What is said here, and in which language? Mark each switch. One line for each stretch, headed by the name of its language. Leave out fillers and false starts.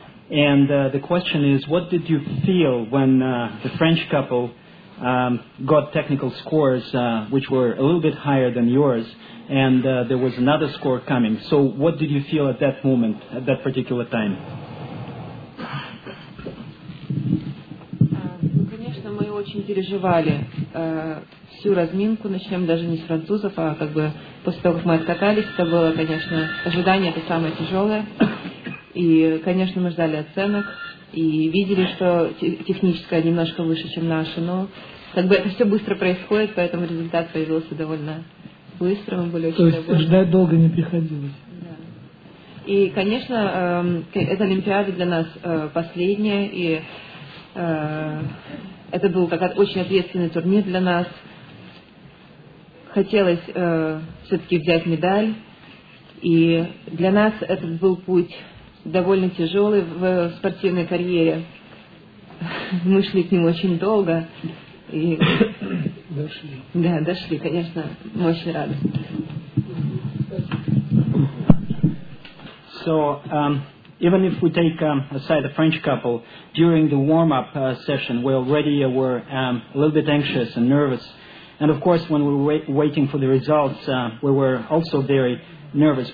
English: And the question is, what did you feel when the French couple got technical scores which were a little bit higher than yours, and there was another score coming. So what did you feel at that moment, at that particular time?
Russian: Конечно, мы очень переживали всю разминку, начнем даже не с французов, а как бы после того, как мы откатались, это было, конечно, ожидание, это самое тяжелое. И, конечно, мы ждали оценок и видели, что техническое немножко выше, чем наше, но как бы это все быстро происходит, поэтому результат появился довольно быстро, мы были очень довольны. То есть ждать долго не приходилось? И, конечно, эта Олимпиада для нас последняя, и это был как очень ответственный турнир для нас. Хотелось все-таки взять медаль, и для нас этот был путь довольно тяжелый в спортивной карьере. Мы шли к нему очень долго. И... Дошли. Да, дошли, конечно, мы очень рады.
English: So, even if we take aside the French couple, during the warm-up session, we already were a little bit anxious and nervous. And of course, when we were waiting for the results, we were also very nervous.